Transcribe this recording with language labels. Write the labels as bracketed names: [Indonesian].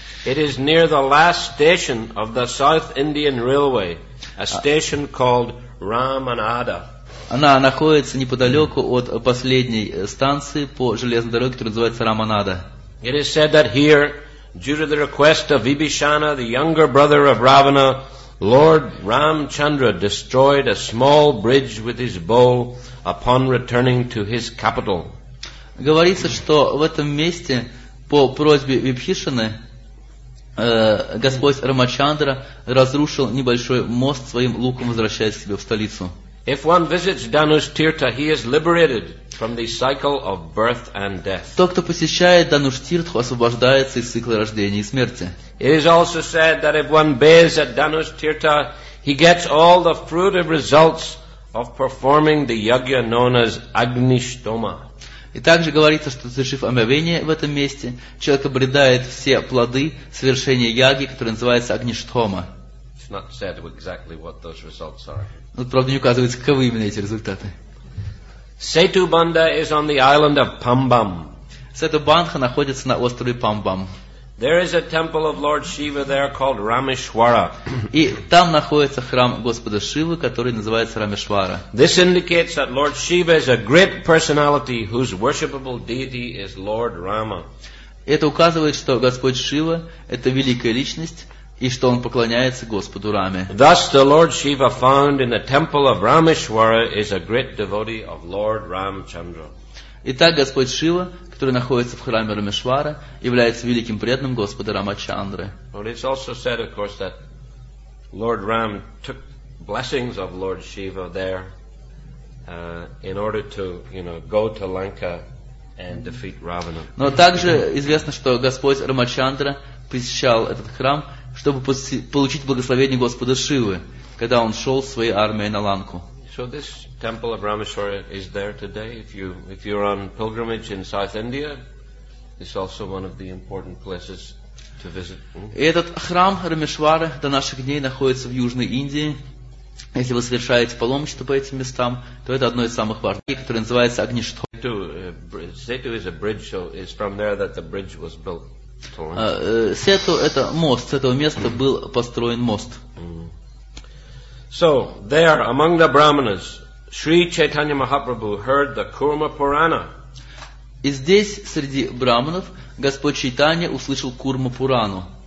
[English] It is near the last station of the South Indian Railway, a station called Ramanada. [Russian] Она находится неподалеку от последней станции по железной дороге, которая называется Раманада. [English] It is said that here, due to the request of Vibhishana, the younger brother of Ravana, Lord Ramchandra destroyed a small bridge with his bow upon returning to his capital. [Russian] Говорится, что в этом месте по просьбе Випхишаны Господь Рамачандра разрушил небольшой мост своим луком, возвращаясь к себе в столицу. [English] If one visits Danush Tirtha, he is liberated from the cycle of birth and death. [Russian] Тот, кто посещает Дануш Тиртху, освобождается из цикла рождения и смерти. [English] It is also said that if one bathes at Danush Tirtha, he gets all the fruitive results of performing the yajna known as Agnishtoma. [Russian] И также говорится, что совершив омовение в этом месте, человек обретает все плоды совершения яги, которое называется Агништхома. [English] It's not said exactly what those results are. [Russian] Но, правда, не указывается, каковы именно эти результаты. [English] Сету Банда is on the island of Pambam. [Russian] Сету Бандха находится на острове Памбам. [English] There is a temple of Lord Shiva there called Rameshwara. [Russian] И там находится храм Господа Шивы, который называется Рамешвара. [English] This indicates that Lord Shiva is a great personality whose worshipable deity is Lord Rama. [Russian] Это указывает, что Господь Шива – это великая личность, и что он поклоняется Господу Раме. [English] Thus the Lord Shiva found in the temple of Rameshwara is a great devotee of Lord Ramchandra. [Russian] Итак, Господь Шива, который находится в храме Рамешвара, является великим преданным Господа Рамачандры. [English] But it's also said, of course, that Lord Ram took blessings of Lord Shiva there in order to, you know, go to Lanka and defeat Ravana. [Russian] Но также известно, что Господь Рамачандра посещал этот храм, чтобы получить благословение Господа Шивы, когда он шел с своей армией на Ланку. [English] So this temple of Rameshwara is there today. If you're on pilgrimage in South India, it's also one of the important places to visit. [Russian] Этот храм Рамешвара до наших дней находится в Южной Индии. Если вы совершаете паломничество по этим местам, то это одно из самых важных мест, которое называется Агништхома. [English] Сету is a bridge, so it's from there that the bridge was built. [Russian] Сету это мост. С этого места был построен мост. [English] So there, among the brahmanas, Sri Chaitanya Mahaprabhu heard the Kurma Purana. [Russian] И здесь среди брахманов Господь Чайтанья услышал Курма Пурану.